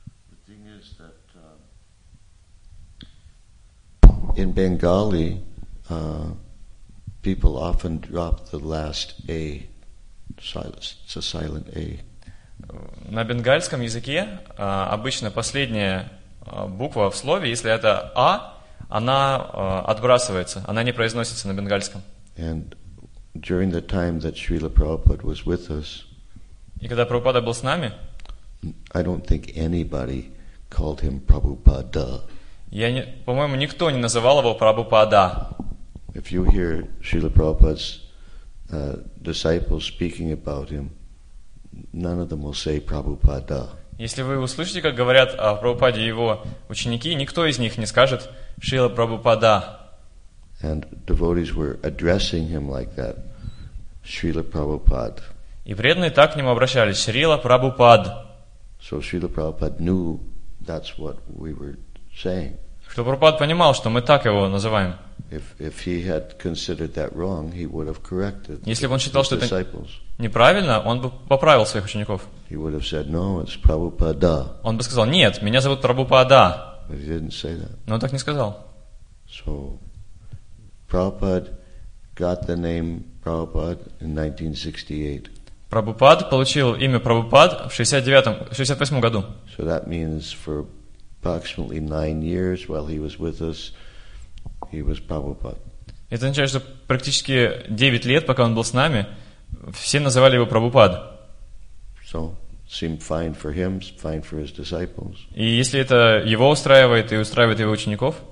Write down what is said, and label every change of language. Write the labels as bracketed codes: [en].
[en] The thing is that in Bengali, people often drop the last A. It's a silent A. [ru] На бенгальском языке обычно последняя буква в слове, если это А, она отбрасывается, она не произносится на бенгальском. [en] And during the time that Srila Prabhupada was with us, [ru] и когда Прабхупада был с нами, [en] I don't think anybody called him Prabhupada. [ru] Я не, по-моему, никто не называл его Прабхупада. [en] If you hear Srila Prabhupada's disciples speaking about him, none of them will say Prabhupada. [ru] Если вы услышите, как говорят о Прабхупаде его ученики, никто из них не скажет Шрила Прабхупада. [en] And devotees were addressing him like that, Srila Prabhupada. [ru] И преданные так к нему обращались, Шрила Прабхупад. [en] So Srila Prabhupada knew that's what we were saying. [ru] Чтобы Прабхупад понимал, что мы так его называем. [en] If he had considered that wrong, he would have corrected his disciples. [ru] Если бы он считал, что это неправильно, он бы поправил своих учеников. [en] He would have said, "No, it's Prabhupada." [ru] Он бы сказал: "Нет, меня зовут Прабхупада." [en] But he didn't say that. [ru] Но он так не сказал. [en] So, Prabhupada got the name Prabhupada in 1968. [ru] Прабхупад получил имя Прабхупад в 68 году. [en] So that means for approximately 9 years while he was with us. He was Prabhupada. [ru] Это означает, что практически 9 лет, пока он был с нами, все называли его Прабхупад. [en] So, seemed fine for him, fine for his disciples. [ru] И если это его устраивает и устраивает его учеников,